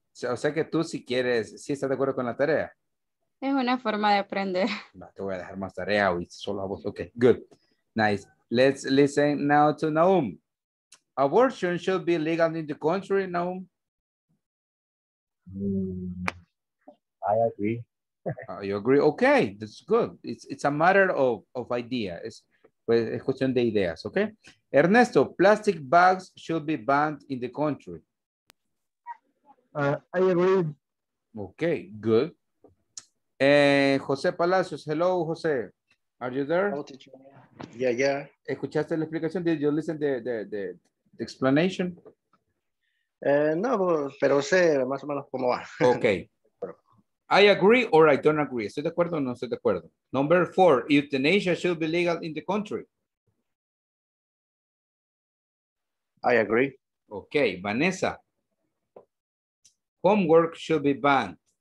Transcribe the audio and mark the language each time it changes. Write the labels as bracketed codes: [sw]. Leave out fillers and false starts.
[es] O sea que tú si quieres, si estás de acuerdo con la tarea. Es una forma de aprender. No, te voy a dejar más tarea hoy, solo a vos. [en] Okay, good. Nice. Let's listen now to Naum. Abortion should be legal in the country, Naum. I agree. You agree? Okay, that's good. It's a matter of idea. It's [es] Pues es cuestión de ideas, ¿ok? [en] Ernesto, plastic bags should be banned in the country. I agree. Okay, good. José Palacios, hello, José. Are you there? Yeah, yeah. [es] ¿Escuchaste la explicación? [en] Did you listen the explanation? [es] No, pero sé más o menos cómo va. [en] Okay. I agree or I don't agree. [es] ¿Estoy de acuerdo o no estoy de acuerdo? [en] Number four, euthanasia should be legal in the country. I agree. Okay, Vanessa. Homework should be banned.